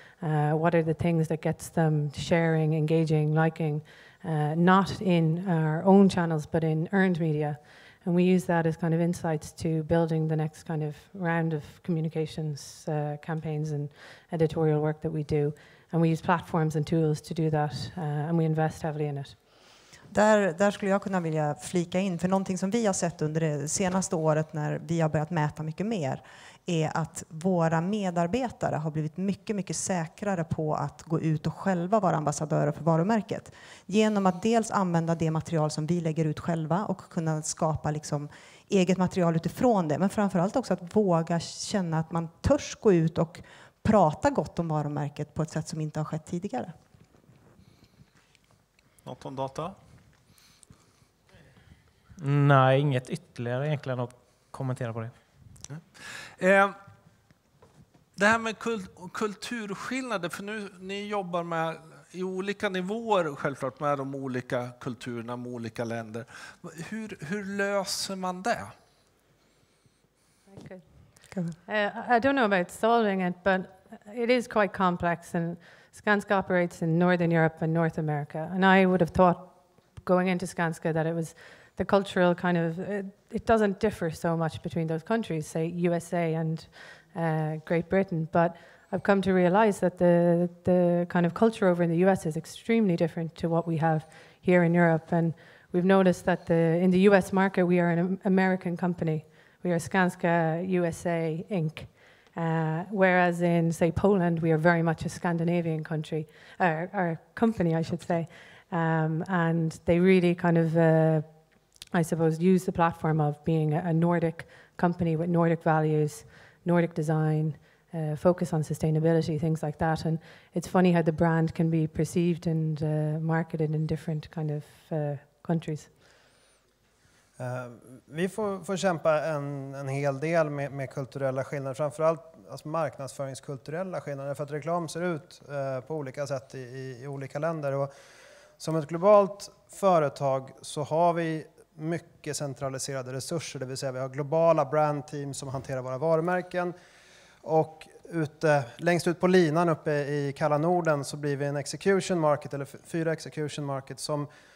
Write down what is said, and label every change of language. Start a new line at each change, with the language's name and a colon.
English: What are the things that gets them sharing, engaging, liking, not in our own channels, but in earned media? And we use that as kind of insights to building the next kind of round of communications campaigns and editorial work that we do. And we use platforms and tools to do that, and we invest heavily in it.
Swedish: Där skulle jag kunna vilja flika in, för någonting som vi har sett under det senaste året när vi har börjat mäta mycket mer är att våra medarbetare har blivit mycket, mycket säkrare på att gå ut och själva vara ambassadörer för varumärket. Genom att dels använda det material som vi lägger ut själva och kunna skapa liksom eget material utifrån det. Men framförallt också att våga känna att man törs gå ut och prata gott om varumärket på ett sätt som inte har skett tidigare. Något om data? Nej, inget ytterligare egentligen att kommentera på det. Det här med kulturskillnader, för nu ni jobbar med i olika nivåer självklart med de olika kulturerna med olika länder. Hur löser man det?
English: I don't know about solving it, but it is quite complex, and Skanska operates in Northern Europe and North America, and I would have thought going into Skanska that it was the cultural kind of, it doesn't differ so much between those countries, say USA and Great Britain, but I've come to realize that the kind of culture over in the US is extremely different to what we have here in Europe. And we've noticed that in the US market, we are an American company. We are Skanska USA Inc. Whereas in, say, Poland, we are very much a Scandinavian country, or company, I should say. And they really kind of, I suppose, use the platform of being a Nordic company with Nordic values, Nordic design, focus on sustainability, things like that. And it's funny how the brand can be perceived and marketed in different kind of countries.
Swedish: Vi får kämpa en hel del med kulturella skillnader, framförallt alltså marknadsföringskulturella skillnader, för att reklam ser ut på olika sätt i olika länder. Och som ett globalt företag så har vi mycket centraliserade resurser, det vill säga vi har globala brandteam som hanterar våra varumärken, och längst ut på linan uppe i kalla Norden så blir vi en execution market, eller fyra execution market, som